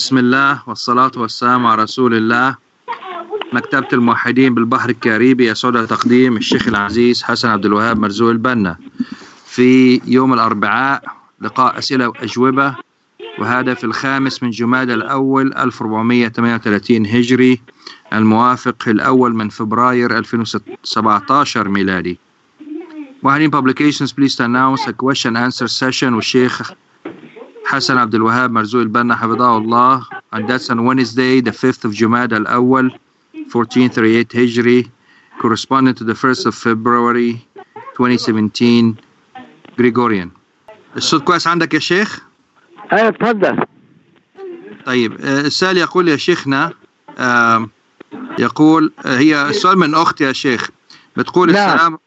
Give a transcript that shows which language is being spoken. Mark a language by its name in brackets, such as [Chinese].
[Arabic] بسم الله والصلاة والسلام على رسول الله. مكتبة الموحدين بالبحر الكاريبي يسعد تقديم الشيخ العزيز حسن عبد الوهاب مرزوق البنا في يوم الأربعاء لقاء أسئلة وأجوبة، وهذا في الخامس من جمادى الأول 1438 هجري الموافق الأول من فبراير 2017 ميلادي. [English] موحدين Publications please to announce a question answer session with الشيخ حسن عبد الوهاب مرزوق البنا حفظه الله. And that's on Wednesday, the 5th of Jumada al-Awwal, 1438 Hijri, corresponding to the 1st of February, 2017, Gregorian. [Arabic] الصوت كويس عندك يا شيخ؟ أيوة تفضل. طيب، السؤال يقول يا شيخنا، يقول هي السؤال من أختي يا شيخ، بتقول لا.